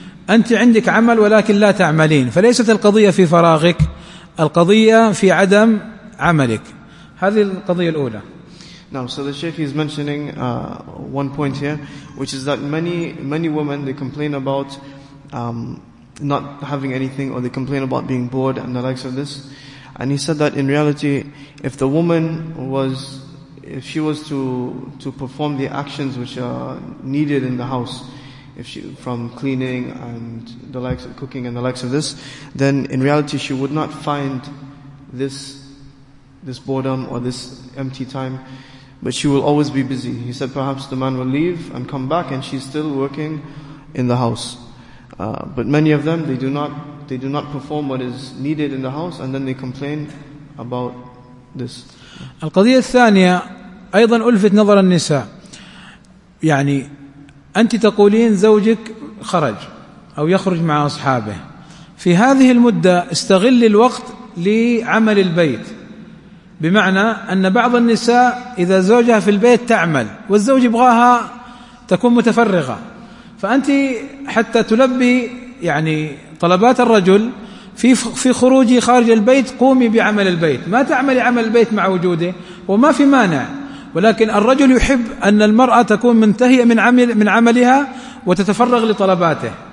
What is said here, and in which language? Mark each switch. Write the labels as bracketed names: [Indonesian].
[Arabic] أنت عندك عمل ولكن لا تعملين، فليست القضية في فراغك، القضية في عدم عملك. هذه القضية الأولى. [English] Now, so the Sheikh is mentioning one point here, which is that many women, they complain about not having anything, or they complain about being bored and the likes of this. And he said that in reality, if the woman was, if she was to perform the actions which are needed in the house, if she, from cleaning and the likes of cooking and the likes of this, then in reality she would not find this boredom or this empty time, but she will always be busy. He said perhaps the man will leave and come back and she's still working in the house. But many of them, they do not perform what is needed in the house, and then they complain about this. [Arabic] القضية الثانية أيضا ألفت نظر النساء. يعني أنت تقولين زوجك خرج أو يخرج مع أصحابه، في هذه المدة استغل الوقت لعمل البيت. بمعنى أن بعض النساء إذا زوجها في البيت تعمل، والزوج يبغاها تكون متفرغة، فأنت حتى تلبي يعني طلبات الرجل في خروجي خارج البيت قومي بعمل البيت، ما تعملي عمل البيت مع وجوده، وما في مانع، ولكن الرجل يحب أن المرأة تكون منتهية من عملها وتتفرغ لطلباته.